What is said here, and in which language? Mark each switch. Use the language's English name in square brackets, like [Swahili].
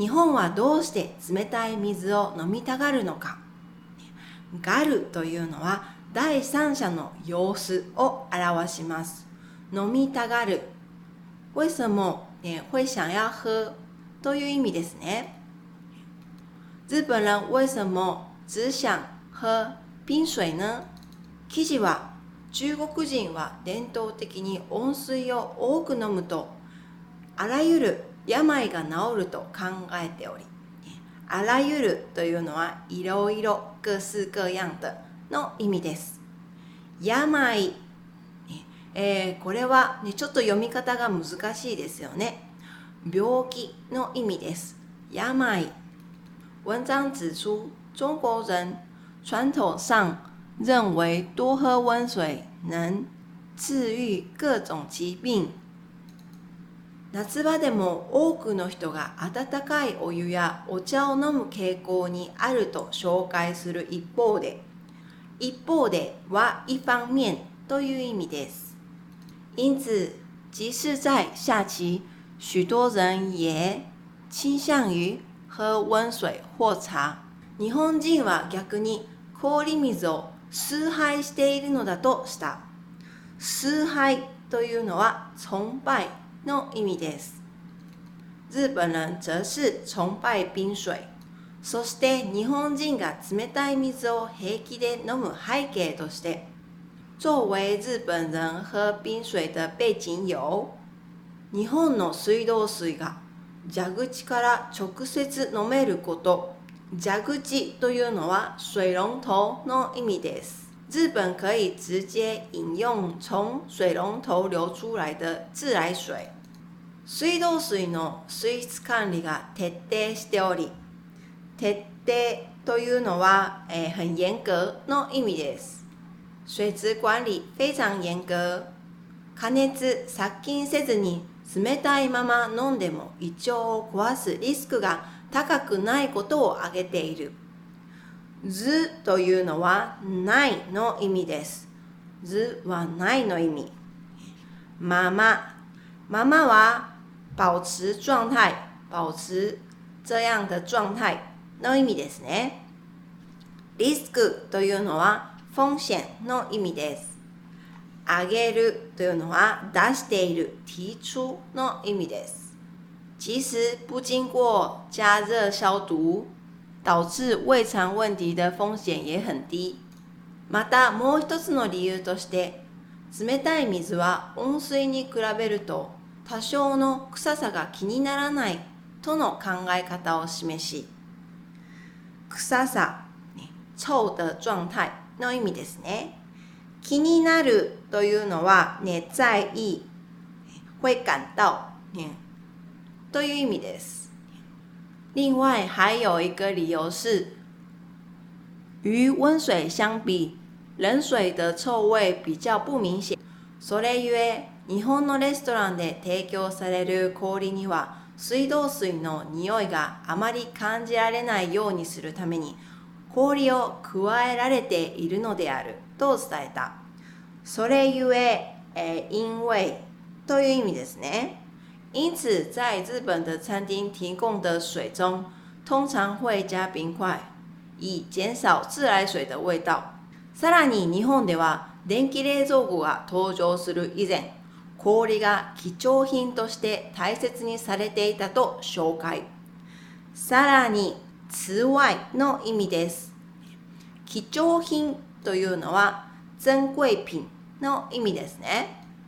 [Japanese] 日本はどうして冷たい水を飲みたがるのか。がるというのは第三者の様子を表します。飲みたがる、 [Chinese] 为什么你会想要喝 [Japanese] という意味ですね。 [Chinese] 日本人为什么只想喝冰水呢？ [Japanese] 記事は、中国人は伝統的に温水を多く飲むとあらゆる病が治ると考えており、あらゆるというのはいろいろ、 [Chinese] 各式各样的 [Japanese] の意味です。病、これは、ね、ちょっと読み方が難しいですよね。病気の意味です。病。 [Chinese] 文章指出、中国人传统上认为多喝温水能治愈各种疾病。 [Japanese] 夏場でも多くの人が温かいお湯やお茶を飲む傾向にあると紹介する一方で、一方では [Chinese] 一方面 [Japanese] という意味です。 [Chinese] 因此即使在夏季、许多人也倾向于喝温水或茶。 [Japanese] 日本人は逆に氷水を崇拝しているのだとした。崇拝というのは崇拝の意味です。 [Chinese] 日本人则是崇拜冰水。 [Japanese] そして日本人が冷たい水を平気で飲む背景として、 [Chinese] 作为日本人喝冰水的背景有、 [Japanese] 日本の水道水が蛇口から直接飲めること。蛇口というのは [Chinese] 水龙头 [Japanese] の意味です。 [Chinese] 日本可以直接饮用从水龙头流出来的自来水。 [Japanese] 水道水の水質管理が徹底しており、徹底というのは、 [Chinese] 很严格 [Japanese] の意味です。 [Chinese] 水質管理非常严格。 [Japanese] 加熱殺菌せずに冷たいまま飲んでも胃腸を壊すリスクが高くないことを挙げている。ずというのはないの意味です。ずはないの意味。まま、ままは保持状態、 [Chinese] 保持这样的状态 [Japanese] の意味ですね。リスクというのは風险の意味です。あげるというのは出している、 [Chinese] 提出 [Japanese] の意味です。 [Chinese] 其实不经过加热消毒导致胃肠问题的风险也很低。 [Japanese] またもう一つの理由として、冷たい水は温水に比べると多少の臭さが気にならないとの考え方を示し、臭さ、臭的状態の意味ですね。気になるというのは、 [Chinese] 在意、会感到、 [Japanese] という意味です。 [Chinese] 另外、还有一个理由是、与温水相比、冷水的臭味比较不明显。 [Japanese] それゆえ、日本のレストランで提供される氷には、水道水の匂いがあまり感じられないようにするために、氷を加えられているのであると伝えた。それゆえ、 [Chinese] 因为 [Japanese] という意味ですね。 [Chinese] 因此在日本的餐厅提供的水中通常会加冰块以减少自来水的味道。 [Japanese] さらに日本では電気冷蔵庫が登場する以前、氷が貴重品として大切にされていたと紹介。さらに [Chinese] 此外 [Japanese] の意味です。貴重品というのは [Chinese] 珍贵品 [Japanese] の意味ですね。